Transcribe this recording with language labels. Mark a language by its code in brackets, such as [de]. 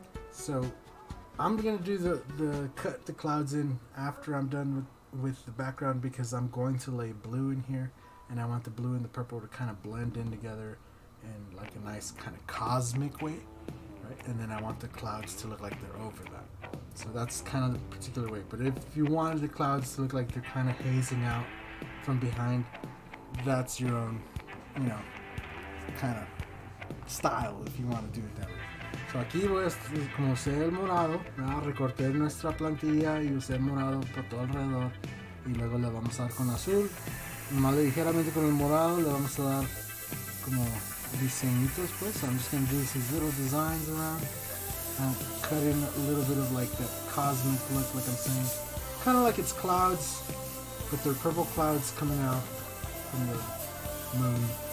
[en] So I'm gonna do the cut the clouds in after I'm done with the background, because I'm going to lay blue in here and I want the blue and the purple to kind of blend in together in like a nice kind of cosmic way, right? And then I want the clouds to look like they're over that. So that's kind of the particular way. But if you wanted the clouds to look like they're kind of hazing out from behind, that's your own, you know, kind of style if you want to do it that way. [es] So aquí voy a, como usé el morado, ¿verdad? Recorté nuestra plantilla y usé el morado por todo alrededor. Y luego le vamos a dar con azul. Más ligeramente con el morado le vamos a dar como diseñitos, pues. [en] So I'm just going to do these little designs around. And cut in a little bit of like the cosmic look, like I'm saying. Kind of like it's clouds, but they're purple clouds coming out from the moon.